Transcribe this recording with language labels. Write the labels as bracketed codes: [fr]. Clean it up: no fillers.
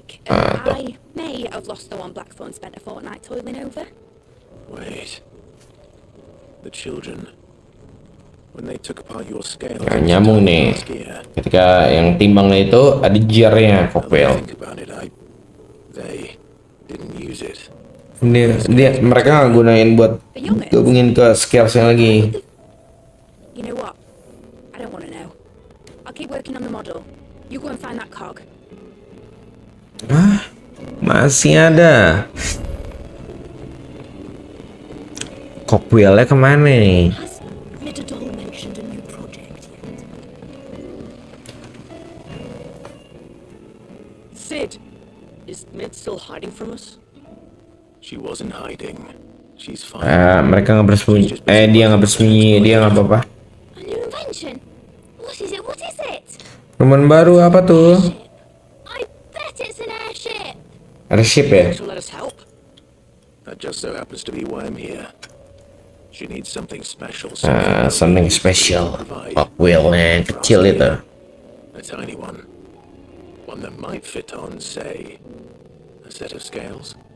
[en] I may have lost the one Blackthorn spent a fortnight toiling over. Wait. The children. When they took apart your scales. [id] Nah, nyambung nih. Ketika yang timbangnya itu ada gearnya, Cogwheel. [en] They didn't use it. [id] Dia mereka gunain buat gabungin ke scalesnya lagi. [en] You know what? I don't want to know. I'll keep working on the model. You go and find that cog. [id] Ah, masih ada. Cogwheel-nya kemana nih? [en] Has Mitadol mentioned a new project yet? Sid, is Mid still hiding from us? She wasn't hiding. She's fine. [id] Mereka nggak bersembunyi. Dia nggak bersembunyi. Dia nggak apa-apa. [en] A new invention. What is it? [id] Rumah baru apa tuh? [en] I bet it's an airship. [id] Airship ya? [en] That just so happens to be why I'm here. You need something special. Something special. [id] Pop wheel yang kecil itu. [en] A tiny one. One that might fit on, say, a set of scales.